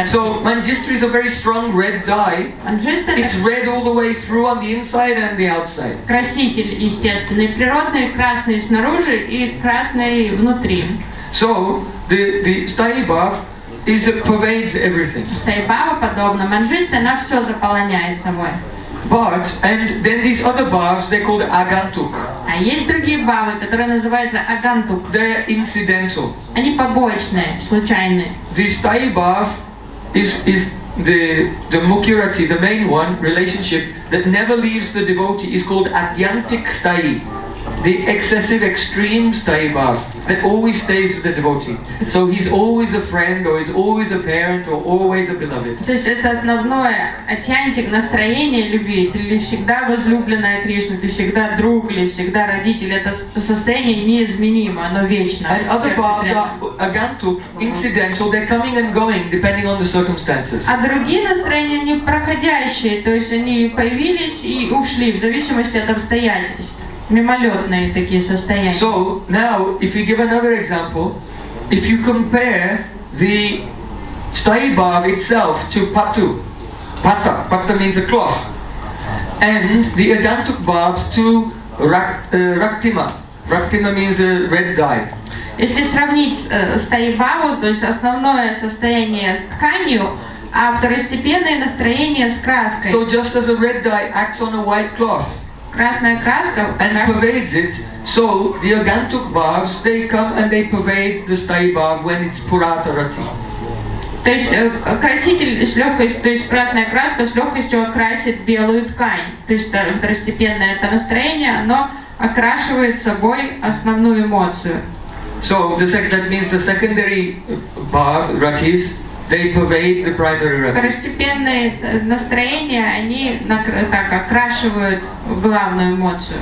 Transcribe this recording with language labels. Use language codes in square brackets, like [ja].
[en] So manjista is a very strong red dye. [ru] Манджиста [en] – it's red all the way through on the inside and the outside. [ru] Краситель естественный, природный, красный снаружи и красный внутри. [en] So the stai bhav is it pervades everything. [ru] Стая бава подобна манджиста, она все заполняет собой. [en] But and then these other bhavs, they're called agantuk. [ru] А есть другие бавы, которые называются агантук. [en] They're incidental. [ru] Они побочные, случайные. [en] The stai bhav is the mukhyarati, the main one, relationship that never leaves the devotee is called atyantik stai. The excessive extreme stai bhav that always stays with the devotee. So he's always a friend or he's always a parent or always a beloved. [ru] То есть это основное атьянтик настроение любви. Ты всегда возлюбленная Кришна, ты всегда друг или всегда родитель. Это состояние неизменимо, оно вечно. [en] And other bhavs are agantuk, incidental, they're coming and going depending on the circumstances. [ru] А другие настроения не проходящие, то есть они появились и ушли в зависимости от обстоятельств. Мимолетные такие состояния. [en] So now, if you give another example, if you compare the stai bhav itself to patu, pata, pata means a cloth, and the agantuk bhavs to raktima, raktima means a red dye. [ru] Если сравнить стаи бхаву, то есть основное состояние с тканью, а второстепенное настроение с краской. [en] So just as a red dye acts on a white cloth. [ru] Красная краска [en] and pervades it, so the agantuk bhavs they come and they pervade the stai bhav when it's puratarati. [ru] То есть краситель с легкостью, то есть красная краска с легкостью окрасит белую ткань. То есть второстепенное это настроение, оно окрашивает собой основную эмоцию. [en] So the second, that means the secondary bhav, ratis, they pervade the primary rati. [ru] Второстепенные настроения, они так окрашивают главную эмоцию.